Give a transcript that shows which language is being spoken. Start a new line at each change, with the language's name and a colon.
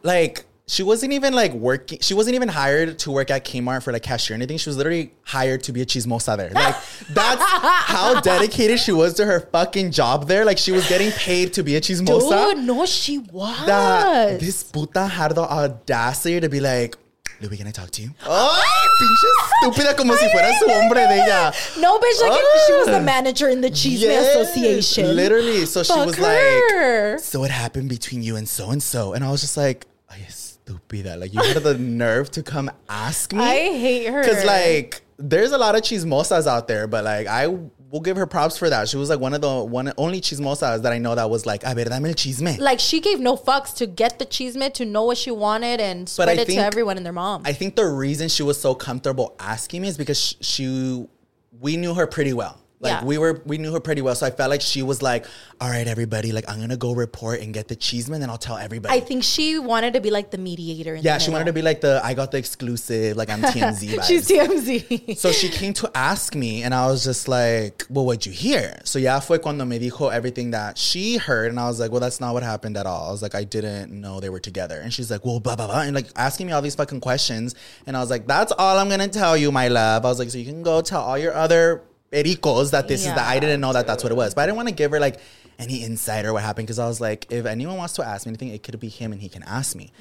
English: like, she wasn't even like working. She wasn't even hired to work at Kmart for like cashier or anything. She was literally hired to be a chismosa there. Like, that's how dedicated she was to her fucking job there. Like, she was getting paid to be a chismosa. Dude, no, she was. That this puta had the audacity to be like, Louis, can I talk to you?
Spanish: Oh, pinche estúpida, como si fuera su hombre de ella.
English: No, bitch, like, she was the manager in the Chisme Association. Literally. So fuck, she was like, so what happened between you and so-and-so? And I was just like,
Spanish: ay, estúpida.
English: Like, you had the nerve to come ask me? I hate her. Because, like, there's a lot of chismosas out there, but, like, I will give her props for that. She was, like, one of the one only chismosas that I know that was, like,
Spanish: a ver, dame el chisme.
English: Like, she gave no fucks to get the chisme, to know what she wanted, and spread it to everyone and their mom. I think the reason she was so comfortable asking me is because we knew her pretty well. Like, we knew her pretty well. So I felt like she was like, all right, everybody, like, I'm going to go report and get the cheeseman, then I'll tell everybody. I think she wanted to be like the mediator. Wanted to be like I got the exclusive, like, I'm TMZ. She's TMZ. So she came to ask me and I was just like, well, what'd you hear?
Spanish: So ya fue cuando me dijo
English: everything that she heard. And I was like, well, that's not what happened at all. I was like, I didn't know they were together. And she's like, well, blah, blah, blah. And like asking me all these fucking questions. And I was like, that's all I'm going to tell you, my love. I was like, so you can go tell all your other Ericos that this is that I didn't know that that's what it was. But I didn't want to give her like any insight or what happened, because I was like, if anyone wants to ask me anything, it could be him and he can ask me.